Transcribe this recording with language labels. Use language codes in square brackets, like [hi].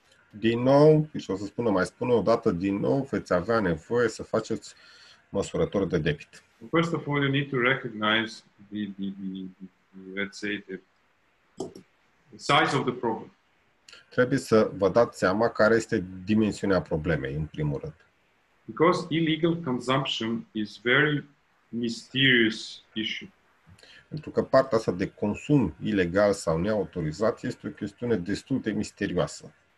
[ro] Din nou, și o să spună, mai spun o dată, din nou veți avea nevoie să faceți măsurători de debit. [en] First of all, you need to recognize the let's say the size of the problem. [ro] Trebuie să vă dați seama care este dimensiunea problemei, în primul rând. [en] Because illegal consumption is very mysterious issue. [ro] Pentru că partea asta de consum ilegal sau neautorizat este o chestiune destul de misterioasă.